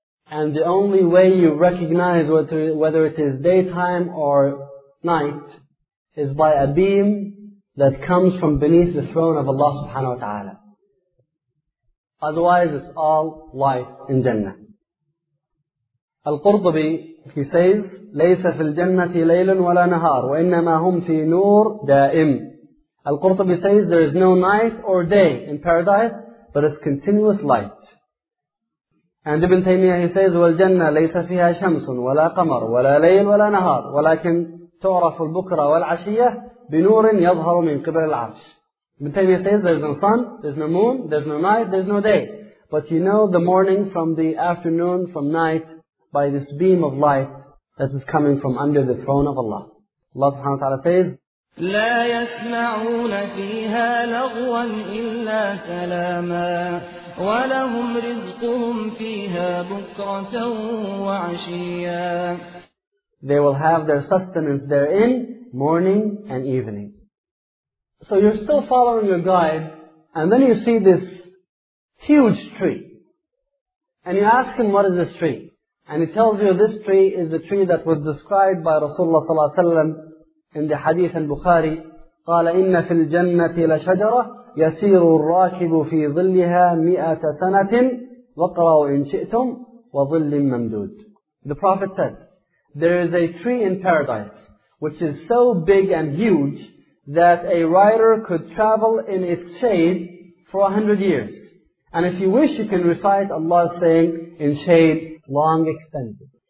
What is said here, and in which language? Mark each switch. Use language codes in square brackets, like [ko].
[en] And the only way you recognize whether it is daytime or night is by a beam that comes from beneath the throne of Allah subhanahu wa ta'ala. Otherwise, it's all light in Jannah. Al-Qurtubi, he says, [ar] لَيْسَ فِي الْجَنَّةِ لَيْلٌ وَلَا نَهَارٌ وَإِنَّمَا هُمْ فِي نُورٍ دَائِمٍ. [en] Al-Qurtubi says, there is no night or day in paradise, but it's continuous light. And Ibn Taymiyyah, he says, [ar] وَالْجَنَّةِ لَيْسَ فِيهَا شَمْسٌ وَلَا قَمَرٌ وَلَا لَيْلٌ وَلَا نَهَارٌ وَلَكِنْ تُعْرَفُ الْبُكْرَ وَالْعَشِيَةِ بِنُورٍ يَظْهَرُ مِنْ قِبَلِ الْعَرْشِ. [en] Ibn Taymiyyah says, there's no sun, there's no moon, there's no night, there's no day. But you know the morning from the afternoon, from night, by this beam of light that is coming from under the throne of Allah. Allah subhanahu wa ta'ala says, [ar] لَا يَسْمَعُونَ فِيهَا لَغْوًا إِلَّا سَلَامًا وَلَهُمْ رِزْقُهُمْ فِيهَا بُكْرَةً وَعَشِيًّا. [en] They will have their sustenance therein, morning and evening. So you're still following your guide, and then you see this huge tree. And you ask him, what is this tree? And he tells you this tree is the tree that was described by Rasulullah صلى الله عليه وسلم in the Hadith al-Bukhari. [ar] قال إن في الجنة لشجرة يسير الراكب في ظلها مئة سنة وقرأوا إن شئتم وظل ممدود. [en] The Prophet said, there is a tree in paradise which is so big and huge that a rider could travel in its shade for 100 years. And if you wish, you can recite Allah's saying in shade long extended.